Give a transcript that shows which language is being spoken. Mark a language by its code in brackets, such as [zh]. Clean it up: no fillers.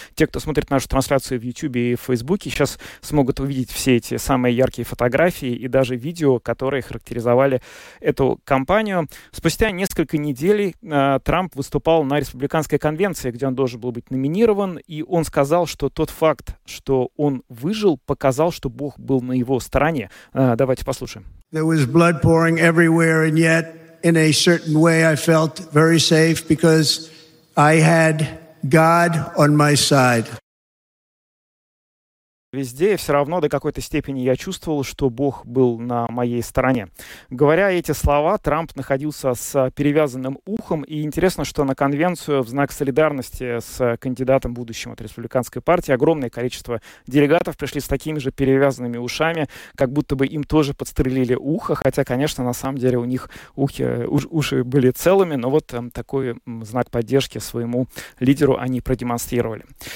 [ru] Те, кто смотрит нашу трансляцию в YouTube и в Facebook, сейчас смогут увидеть все эти самые яркие фотографии и даже видео, которые характеризовали эту кампанию. Спустя несколько недель Трамп выступал на республиканской конвенции, где он должен был быть номинирован, и он сказал, что тот факт, что он выжил, показал, что Бог был на его стороне. Давайте послушаем. [en] There was blood pouring everywhere, and yet, in a certain way, I felt very safe because I had God on my side. [ru] Везде, и все равно до какой-то степени я чувствовал, что Бог был на моей стороне. Говоря эти слова, Трамп находился с перевязанным ухом, и интересно, что на конвенцию в знак солидарности с кандидатом будущим от республиканской партии огромное количество делегатов пришли с такими же перевязанными ушами, как будто бы им тоже подстрелили ухо, хотя, конечно, на самом деле у них уши были целыми, но вот такой знак поддержки своему лидеру они продемонстрировали.